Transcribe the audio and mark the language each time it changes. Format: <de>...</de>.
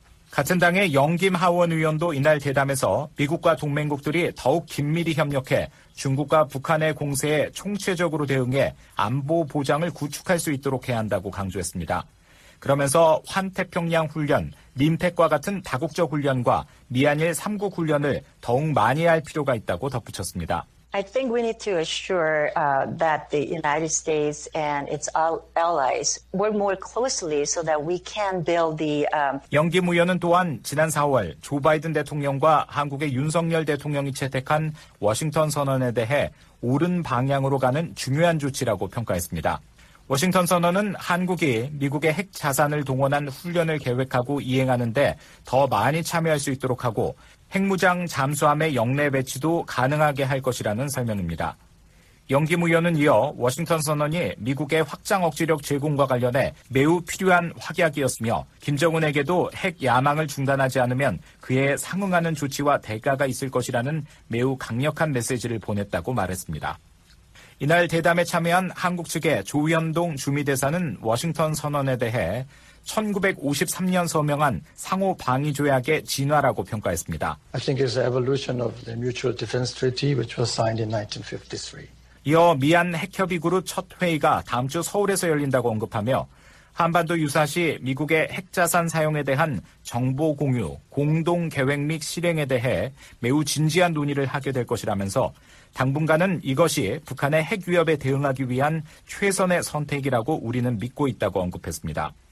<ko>같은 당의 영김 하원 의원도 이날 대담에서 미국과 동맹국들이 더욱 긴밀히 협력해 중국과 북한의 공세에 총체적으로 대응해 안보 보장을 구축할 수 있도록 해야 한다고 강조했습니다. 그러면서 환태평양 훈련, 림택과 같은 다국적 훈련과 미한일 3국 훈련을 더욱 많이 할 필요가 있다고 덧붙였습니다.</ko> <en>I think we need to assure that the United States and its allies work more closely so that we can build the</en> <ko>영김 의원은 또한 지난 4월 조 바이든 대통령과 한국의 윤석열 대통령이 채택한 워싱턴 선언에 대해 옳은 방향으로 가는 중요한 조치라고 평가했습니다. 워싱턴 선언은 한국이 미국의 핵 자산을 동원한 훈련을 계획하고 이행하는데 더 많이 참여할 수 있도록 하고 핵무장 잠수함의 역내 배치도 가능하게 할 것이라는 설명입니다. 영기 무연은 이어 워싱턴 선언이 미국의 확장 억지력 제공과 관련해 매우 필요한 확약이었으며 김정은에게도 핵 야망을 중단하지 않으면 그에 상응하는 조치와 대가가 있을 것이라는 매우 강력한 메시지를 보냈다고 말했습니다. 이날 대담에 참여한 한국 측의 조현동 주미대사는 워싱턴 선언에 대해 1953년 서명한 상호 방위 조약의 진화라고 평가했습니다.</ko> <en>I think it's the evolution of the Mutual Defense Treaty which was signed in 1953.</en> <ko>이어 미한 핵협의 그룹 첫 회의가 다음 주 서울에서 열린다고 언급하며 한반도 유사시 미국의 핵자산 사용에 대한 정보 공유, 공동 계획 및 실행에 대해 매우 진지한 논의를 하게 될 것이라면서 당분간은 이것이 북한의 핵 위협에 대응하기 위한 최선의 선택이라고 우리는 믿고 있다고 언급했습니다.</ko>